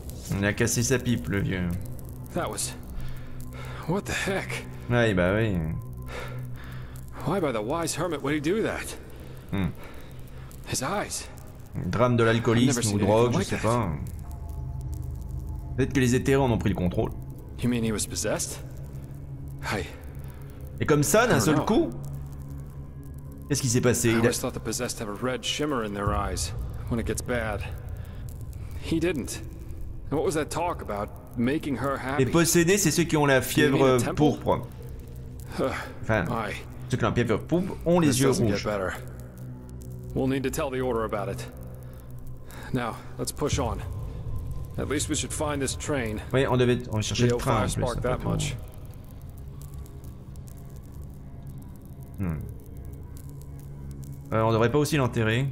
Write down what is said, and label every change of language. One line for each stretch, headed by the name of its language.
French: Il a cassé sa pipe, le vieux.
English: That was... What the heck?
French: Oui, bah oui.
English: Why by the wise hermit would he do that? His eyes.
French: Drame de l'alcoolisme ou drogue, je sais pas. Peut-être que les éthérés en ont pris le contrôle.
English: You mean he was possessed? I...
French: Et comme ça, d'un seul coup? Qu'est-ce qui s'est passé?
English: I always thought the possessed have a red shimmer in their eyes when it gets bad. He didn't. And what was that talk about? making her happy.
French: Les possédés, c'est ceux qui ont la fièvre pourpre. Enfin, ceux qui ont la fièvre pourpre ont les yeux rouges.
English: We'll need to tell the order about it. Now, let's push on. At least we should find this train.
French: Oui, on devait on chercher le train. En plus,
English: that much.
French: On devrait pas aussi l'enterrer.